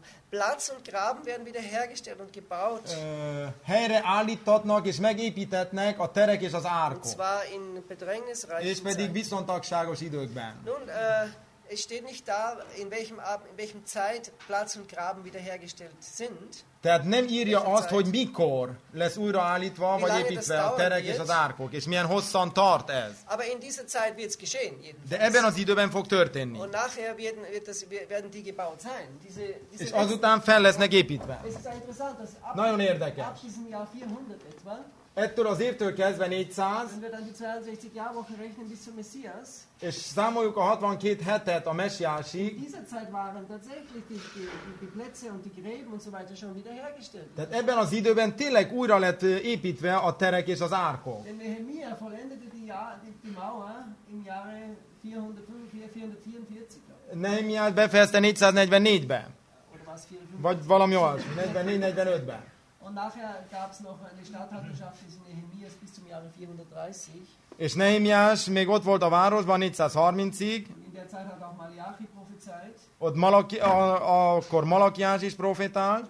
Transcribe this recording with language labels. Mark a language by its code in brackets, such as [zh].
[de] Platz und Graben werden wieder hergestellt und gebaut. [hu] Helyreállítatnak és megépítetnek a terek és az árkok. [de] Und zwar in bedrängnisreichen Zeiten. [hu] És pedig viszontagságos időkben. [de] Nun, es steht nicht da, in welchem Zeit Platz und Graben wiederhergestellt sind. [hu] Tehát nem írja azt, hogy mikor lesz újraállítva, vagy építve a terek és az árkok, és milyen hosszan tart ez. [de] Aber in dieser Zeit wird's geschehen, jedenfalls. [hu] De ebben az időben fog történni. [de] Und nachher werden die gebaut sein. [hu] És azután fel lesznek építve. Nagyon érdekes. [de] Ab diesem Jahr 400 etwa. [hu] Ettől az évtől kezdve 400. [de] Wenn wir dann die 62 Jahrwochen rechnen bis zum Messias. [hu] És számoljuk a 62 hetet a Messiásig. [de] In dieser Zeit waren tatsächlich die Plätze und die Gräben und so weiter schon wieder hergestellt. [hu] Tehát ebben az időben tényleg újra lett építve a terek és az árkok. [de] Denn Nehemia vollendete die Mauer im Jahre 444. [hu] Nehemia befejezte 444-ben. Vagy valami olyan, 44-45-ben. [de] Und nachher gab's noch eine Stadthalterschaft des Nehemias bis zum Jahre 430. [hu] És Nehemiás még ott volt a városban 430-ig. [de] In der Zeit hat auch Malachi prophezeit. [hu] Ott akkor Malachiás is profétált.